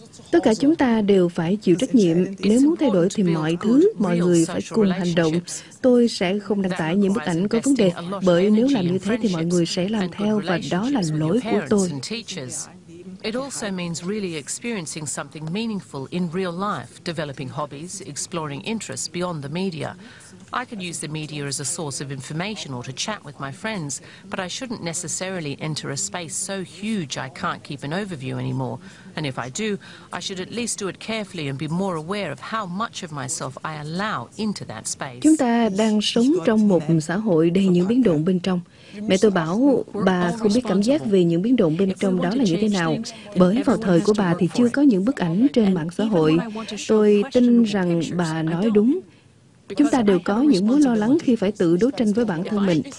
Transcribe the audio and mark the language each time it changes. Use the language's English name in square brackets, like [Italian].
[Vietnamese] Tất cả chúng ta đều phải chịu trách nhiệm. Nếu muốn thay đổi thì mọi thứ, mọi người phải cùng hành động. Tôi sẽ không đăng tải những bức ảnh có vấn đề, bởi nếu làm như thế thì mọi người sẽ làm theo và đó là lỗi của tôi. [English] It also means really experiencing something meaningful in real life, developing hobbies, exploring interests beyond the media. I could use the media as a source of information or to chat with my friends, but I shouldn't necessarily enter a space so huge I can't keep an overview anymore. And if I do, I should at least do it carefully and be more aware of how much of myself I allow into that space. [Vietnamese] Chúng ta đang sống trong một xã hội đầy những biến động bên trong. Mẹ tôi bảo bà không biết cảm giác về những biến động bên trong đó là như thế nào, bởi vào thời của bà thì chưa có những bức ảnh trên mạng xã hội. Tôi tin rằng bà nói đúng. Chúng ta đều có những mối lo lắng khi phải tự đấu tranh với bản thân mình.